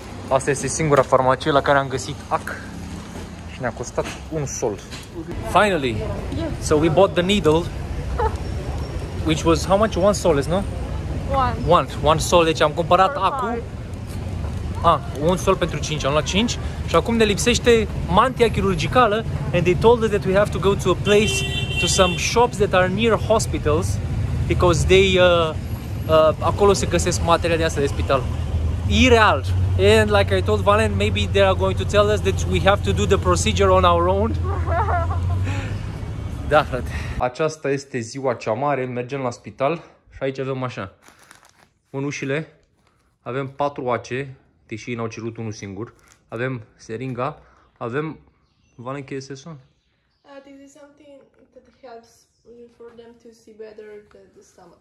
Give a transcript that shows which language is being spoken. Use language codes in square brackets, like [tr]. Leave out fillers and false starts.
[ro] Asta este singura farmacie la care am găsit ac și ne-a costat un sol. [en] Finally. Yes. So we bought the needle which was how much? 1 sol, no? 1. [ro] 1 sol, deci am cumpărat acul. Un sol pentru 5, am luat 5 și acum ne lipsește mantia chirurgicală [en] and they told us that we have to go to a place to some shops that are near hospitals. Because they [ro] acolo se găsesc materiale de astea de spital. Ireal, [en] And like I told Valen, maybe they are going to tell us that we have to do the procedure on our own. [ro] Da, frate. Aceasta este ziua cea mare, mergem la spital și aici avem așa. Mânușile, avem 4 oace, deși ei n-au cerut unul singur. Avem seringa, avem... Valen, ce este asta? [en] This is something that helps for them to see better the stomach.